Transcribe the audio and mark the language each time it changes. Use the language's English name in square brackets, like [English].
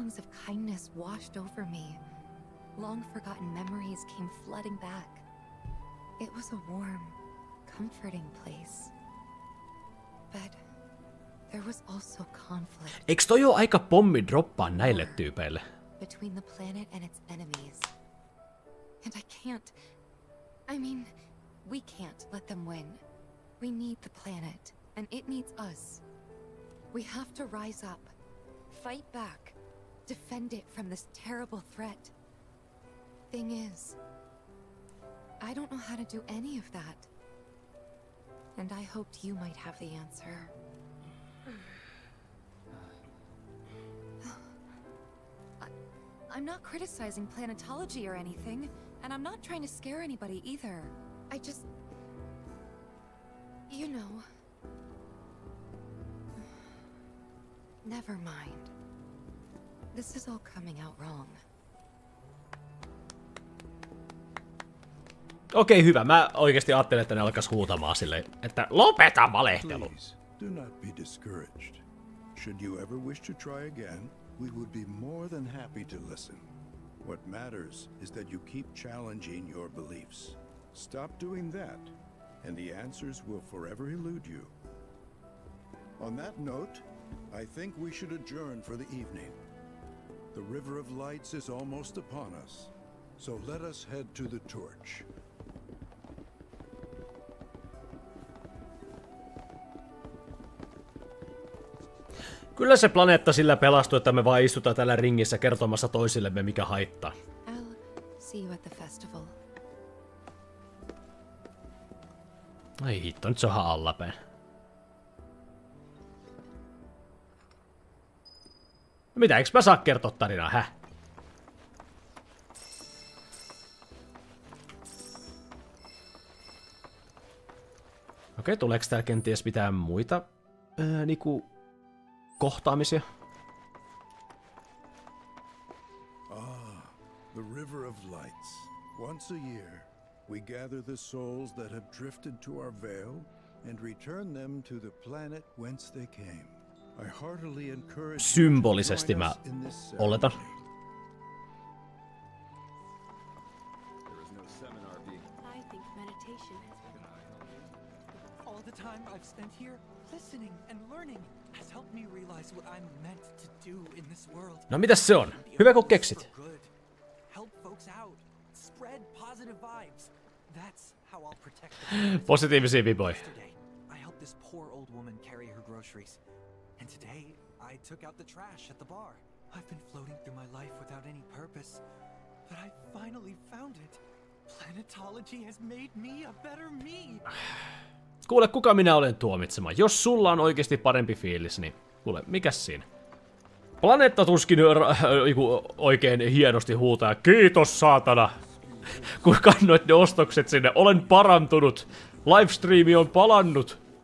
[English] Feelings of kindness washed over me. Long forgotten memories came flooding back. It was a warm, comforting place. But there was also conflict. [Finnish] Eikö toi ole aika pommi droppaa näille tyypeille? [English] Between the planet and its enemies. And I can't. I mean, we can't let them win. We need the planet, and it needs us. We have to rise up, fight back, defend it from this terrible threat. Thing is, I don't know how to do any of that. And I hoped you might have the answer. I'm not criticizing planetology or anything, and I'm not trying to scare anybody either. I just... You know. Never mind. This is all coming out wrong. [Finnish] Okei, hyvä. Mä oikeesti ajattelin, että ne alkais huutamaan sille, että lopeta valehtelu. [English] Please, do not be discouraged. Should you ever wish to try again, we would be more than happy to listen. What matters is that you keep challenging your beliefs. Stop doing that. And the answers will forever elude you. On that note, I think we should adjourn for the evening. The River of Lights is almost upon us, so let us head to the torch. [Finnish] Kyllä se planeetta sillä pelastui, että me vaan istutaan täällä ringissä kertomassa toisillemme, mikä haittaa. [English] I'll see you at the festival. [Finnish] Ai hitto, nyt se onhan allapäin. Mitä, eikö mä saa kertoa tarinaa, hä? Okei, tuleeko täällä kenties mitään muita, niinku, kohtaamisia? [English] Ah, the River of Lights. Once a year. We gather the souls that have drifted to our veil and return them to the planet whence they came. I heartily encourage [Finnish] symbolisesti mä oletan. [English] There is no seminar being. I think meditation is all the time I've spent here Listening and learning has helped me realize what I'm meant to do in this world. [Finnish] No mitäs se on? Hyvä kun keksit. [English] Help folks out. Spread positive vibes. That's how I'll protect the people. [Finnish] Positiivisia viboja. [English] I helped this poor old woman carry her groceries. And today I took out the trash at the bar. I've been floating through my life without any purpose, but I finally found it. Planetology has made me a better me. [Finnish] Kuule, kuka minä olen tuomitsema? Jos sulla on oikeasti parempi fiilis, niin kuule, mikäs siinä? Planeetta tuskin oikein hienosti huutaa. Kiitos, saatana, kun kannoit ne ostokset sinne. Olen parantunut. Livestreami on palannut.